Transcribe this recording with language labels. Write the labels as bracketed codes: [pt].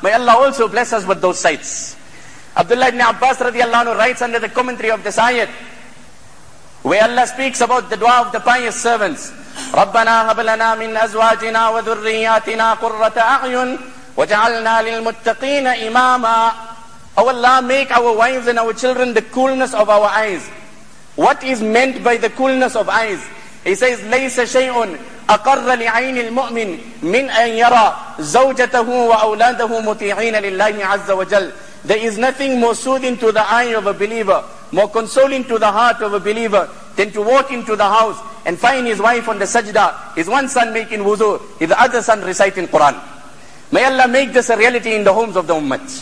[en] May Allah also bless us with those sights. Abdullah ibn Abbas radiallahu anhu writes under the commentary of this ayat, where Allah speaks about the dua of the pious servants. [ar] رَبَّنَا هَبْلَنَا مِنْ أَزْوَاجِنَا وَذُرِّيَاتِنَا قُرَّةَ أَعْيُنْ وَجَعَلْنَا لِلْمُتَّقِينَ إِمَامًا. [en] Oh Allah, make our wives and our children the coolness of our eyes. What is meant by the coolness of eyes? He says, [ar] لَيْسَ شَيْءٌ أَقَرَّ لِعَيْنِ الْمُؤْمِنِ مِنْ أَنْ يَرَى زَوْجَتَهُ وَأَوْلَادَهُ مُطِيعِينَ لِلَّهِ عَزَّ وَجَلْ. [en] There is nothing more soothing to the eye of a believer, more consoling to the heart of a believer, than to walk into the house and find his wife on the sajda, his one son making wudu, his other son reciting Quran. May Allah make this a reality in the homes of the ummah.